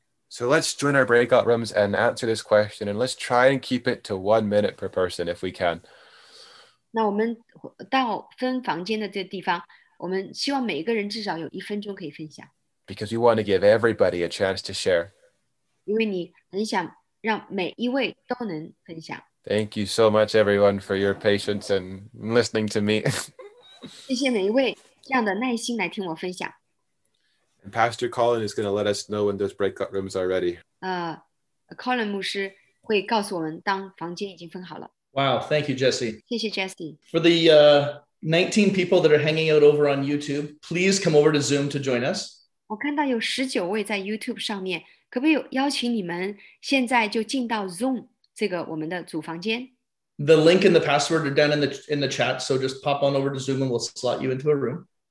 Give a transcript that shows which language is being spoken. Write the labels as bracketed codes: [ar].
[en] So let's join our breakout rooms and answer this question, and let's try and keep it to 1 minute per person if we can. [zh] 那我们到分房间的这个地方，我们希望每一个人至少有一分钟可以分享。 [en] Because we want to give everybody a chance to share. [zh] 因为你很想让每一位都能分享。 [en] Thank you so much, everyone, for your patience and listening to me. [zh] 谢谢每一位这样的耐心来听我分享。 [en] And Pastor Colin is going to let us know when those breakout rooms are ready. [zh] Colin 牧师会告诉我们当房间已经分好了。 [en] Wow, thank you, Jesse. [zh] 谢谢 Jesse. [en] For the 19 people that are hanging out over on YouTube, please come over to Zoom to join us. [zh] 我看到有19位在 YouTube 上面，可不可以邀请你们现在就进到 Zoom 这个我们的主房间？ [en] The link and the password are down in the chat, so just pop on over to Zoom and we'll slot you into a room.